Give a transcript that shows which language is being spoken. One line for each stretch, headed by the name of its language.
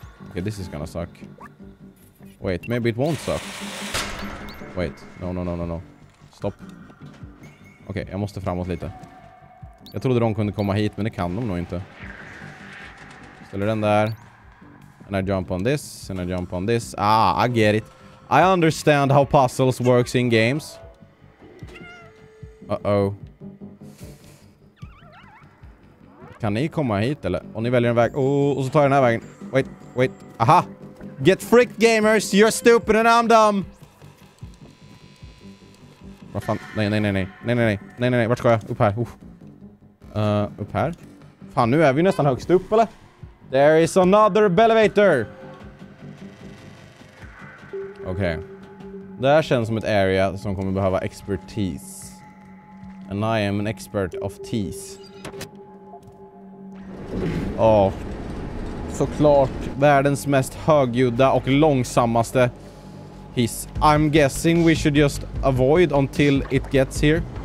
English: Okay, this is gonna suck. Wait, maybe it won't suck. Wait, no. Stopp.
Swedish: Okej, okay, jag måste framåt lite. Jag trodde de kunde komma hit, men det kan de nog inte. Ställer den där.
English: And I jump on this, and I jump on this. Ah, I get it. I understand how puzzles works in games. Uh-oh.
Swedish: Kan ni komma hit, eller? Och ni väljer en väg. Oh, och så tar jag den här vägen.
English: Wait. Aha! Get freaked, gamers! You're stupid and I'm dumb!
Swedish: Vad fan? Nej. Vart ska jag? Upp här. Upp här. Fan, nu är vi nästan högst upp, eller?
English: There is another elevator!
Swedish: Okej. Okay. Det här känns som ett area som kommer behöva expertise.
English: And I am an expert of teas.
Swedish: Åh. Såklart världens mest högljudda och långsammaste hiss.
English: I'm guessing we should just avoid until it gets here.